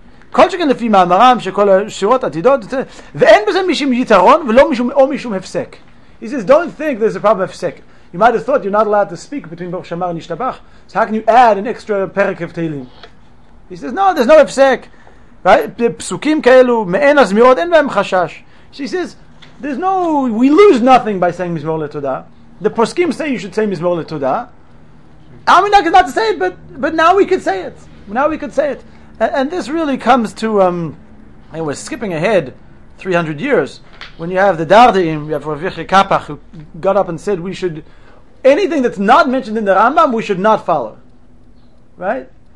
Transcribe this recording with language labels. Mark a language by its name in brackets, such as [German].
[Hebrew] כל שכן לפי מאמרם שכל השירות עתידות ואין בזה משום יתרון ולא משום או משום הפסק. [English] He says, don't think there's a problem of הפסק. You might have thought you're not allowed to speak between Baruch Shamar and Ishtabach, so how can you add an extra perek of Tehillim? He says, no, there's no הפסק. Right? [Hebrew] פסוקים כאלו מעין הזמירות אין בהם חשש. [English] She says, there's no, we lose nothing by saying מזמור לתודה. The פוסקים say you should say מזמור לתודה. I mean, I could not say it, but now we could say it. Now we could say it. And this really comes to, we're skipping ahead 300 years, when you have the Dardaim, you have Rav Yechiel Kapach, who got up and said, anything that's not mentioned in the Rambam, we should not follow. Right?